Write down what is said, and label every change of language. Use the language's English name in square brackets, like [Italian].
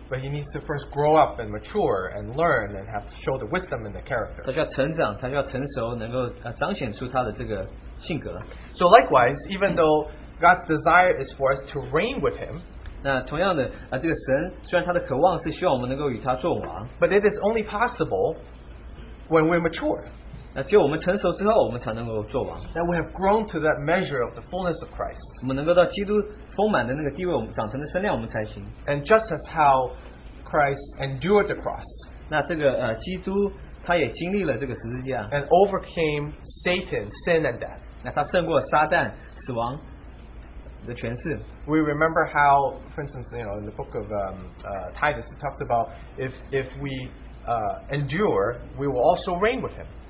[English] But he needs to first grow up and mature and learn and have to show the wisdom and the character. [Chinese] 他需要成长，他需要成熟，能够彰显出他的这个。 [English] So likewise, even though God's desire is for us to reign with Him, [Chinese] 那同样的，这个神虽然他的渴望是希望我们能够与他作王， [English] but it is only possible when we're mature. [Chinese] 那只有我们成熟之后，我们才能够作王。 [English] That we have grown to that measure of the fullness of Christ. [Chinese] 我们能够到基督丰满的那个地位，我们长成的身量，我们才行。 [English] And just as how Christ endured the cross, [Chinese] 那这个基督他也经历了这个十字架， [English] and overcame Satan, sin, and death. [Chinese] 那他胜过撒旦死亡的权势。 [English] We remember how, for instance, you know, in the book of Titus, it talks about if we endure, we will also reign with him.